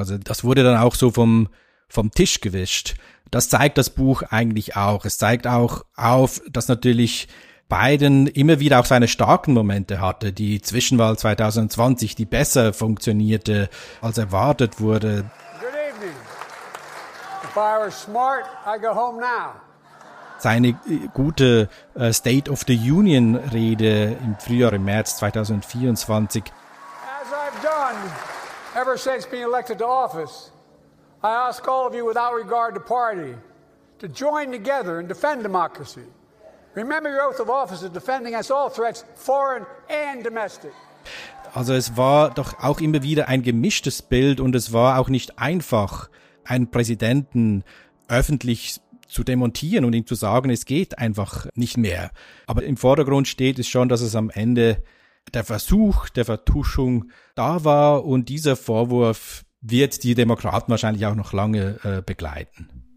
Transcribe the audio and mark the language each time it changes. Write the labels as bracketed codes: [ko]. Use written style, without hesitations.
[de] Also das wurde dann auch so vom Tisch gewischt. Das zeigt das Buch eigentlich auch. Es zeigt auch auf, dass natürlich Biden immer wieder auch seine starken Momente hatte. Die Zwischenwahl 2020, die besser funktionierte, als erwartet wurde. [en] Good evening. If I were smart, I go home now. [de] Seine gute State of the Union Rede im Frühjahr, im März 2024. [en] As I've done ever since being elected to office, I ask all of you without regard to party to join together and defend democracy. Remember your oath of office is defending us all threats, foreign and domestic. [de] Also es war doch auch immer wieder ein gemischtes Bild und es war auch nicht einfach, einen Präsidenten öffentlich zu demontieren und ihm zu sagen, es geht einfach nicht mehr. Aber im Vordergrund steht es schon, dass es am Ende der Versuch der Vertuschung da war und dieser Vorwurf wird die Demokraten wahrscheinlich auch noch lange begleiten.